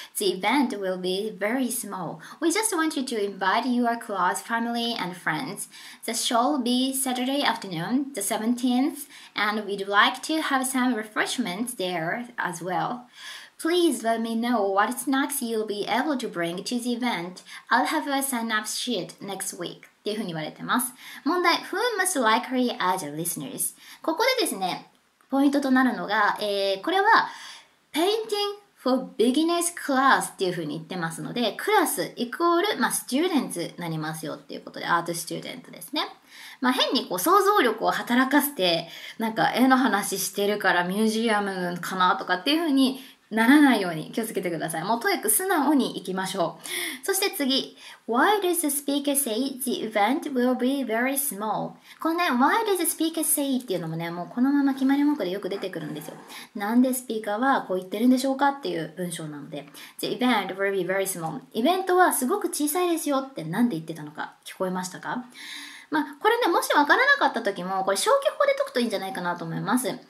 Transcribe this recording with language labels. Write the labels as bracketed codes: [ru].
[en] The event will be very small. We just want you to invite your close family and friends. The show will be Saturday afternoon, the 17th, and we'd like to have some refreshments there as well. Please let me know what snacks you'll be able to bring to the event. I'll have a sign-up sheet next week. [ja] っていうふうに言われてます。問題、 [en] Who most likely are the listeners? [ja] ここでですね、ポイントとなるのが、これは Painting for Beginners Class っていうふうに言ってますので、クラスイコール、まあ、Students になりますよっていうことで、Art Student ですね。まあ、変にこう想像力を働かせて、なんか絵の話してるからミュージアムかなとかっていう風にならないように気をつけてください。もうトイック素直に行きましょう。そして次。 [en] Why does the speaker say the event will be very small? [ja] このね、 [en] Why does the speaker say [ja] っていうのもね、もうこのまま決まり文句でよく出てくるんですよ。なんでスピーカーはこう言ってるんでしょうかっていう文章なので。 [en] The event will be very small. [ja] イベントはすごく小さいですよってなんで言ってたのか聞こえましたか？まあ、これね、もし分からなかった時も、これ消去法で解くといいんじゃないかなと思います。